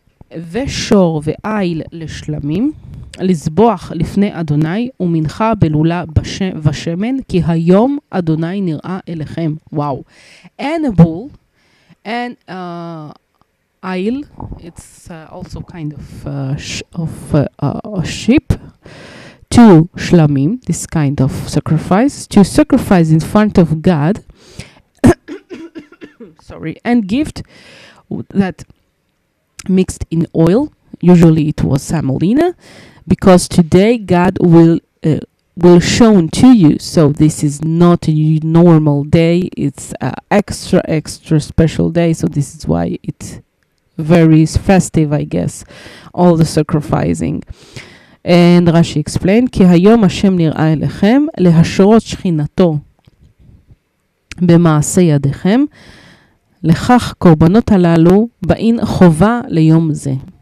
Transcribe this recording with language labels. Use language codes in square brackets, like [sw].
[he] Veshor ve'ail leshlamim, לזבוח לפני אדוני ומנחה בלולה ושמן כי היום אדוני נראה אליכם. וואו. [en] And a bull and isle, it's also kind of a sheep, two shlamim, this kind of sacrifice, to sacrifice in front of God sorry, and gift that mixed in oil, usually it was semolina, because today God will shown to you. So this is not a normal day. It's an extra special day. So this is why it's very festive, I guess, all the sacrificing. And Rashi explained, [he] כי היום השם נראה אליכם להשרות שכינתו במעשה ידיכם, לכך קורבנות הללו באין חובה ליום זה.